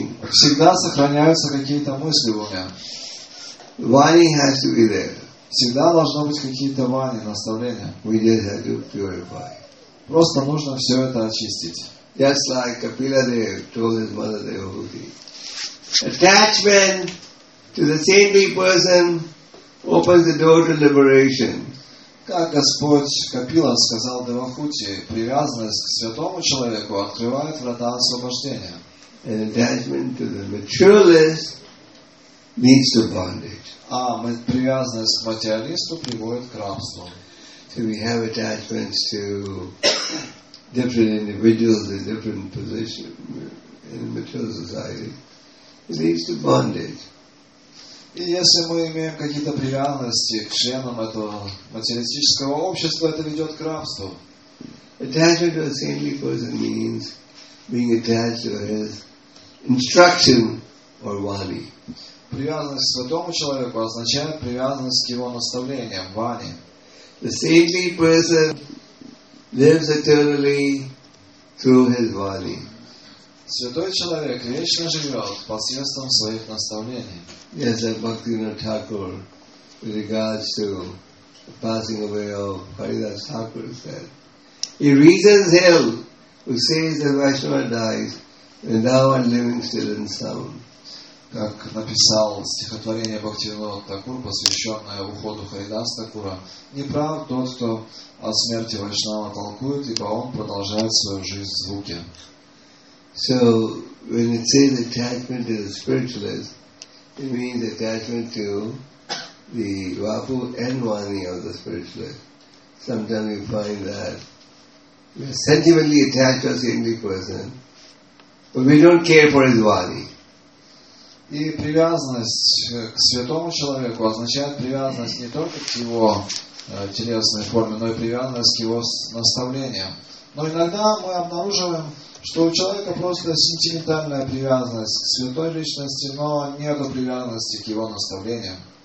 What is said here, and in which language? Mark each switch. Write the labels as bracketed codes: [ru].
[ru] Всегда сохраняются какие-то мысли в уме. [en] Вани has to be there. [ru] Всегда должно быть какие-то вани, наставления. [en] We just have to purify. [ru] Просто нужно все это очистить. [en] Just like Kapila Dev told his mother Devahuti. Attachment to the saintly person opens the door to liberation. [ru] Как Господь Капила сказал Девахути, привязанность к святому человеку открывает врата освобождения. [en] And attachment to the materialist leads to bondage. [ru] А привязанность к материалисту приводит к рабству. [en] So we have attachments to different individuals in different positions in material society. It leads to bondage. [ru] И если мы имеем какие-то привязанности к членам этого материалистического общества, это ведет к рабству. [en] Attachment to a saintly person means being attached to his instruction or vani. [ru] Привязанность к святому человеку означает привязанность к его наставлениям, вани. [en] The saintly person lives eternally through his vani. [ru] Святой человек вечно живет посредством своих наставлений. [en] Yes, like Bhaktivinoda Thakur, with regards to the passing away of Haridas Thakur, said, he reasons ill who says that Vaishnava dies, and thou art living still in sound. [ru] Как написал стихотворение Бхактивинода Такур, посвященное уходу Харидаса Такура, неправ тот, кто о смерти Вайшнава толкует, ибо он продолжает свою жизнь в звуке. [en] So, when it says attachment to the spiritualist, it means attachment to the Vapu and Vani of the spiritualist. Sometimes you find that we are sentimentally attached to a saintly person, but we don't care for his Vani. [ru] И привязанность к святому человеку означает привязанность не только к его телесной форме, но и привязанность к его наставлениям. Но иногда мы обнаруживаем, что у человека просто сентиментальная привязанность к святой личности, но нет привязанности к его наставлениям.